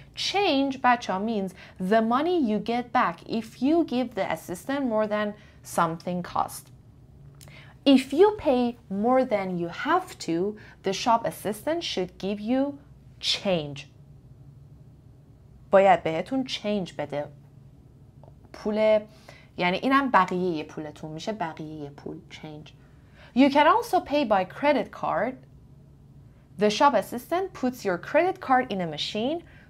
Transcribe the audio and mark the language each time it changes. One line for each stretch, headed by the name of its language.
English: Change بچه means the money you get back if you give the assistant more than something cost. If you pay more than you have to, the shop assistant should give you change.
Persian: باید بهتون چینج بده. پول، یعنی اینم بقیه پولتون میشه، بقیه پول چینج.
English: You can also pay by credit card. The shop assistant puts your credit card in a machine.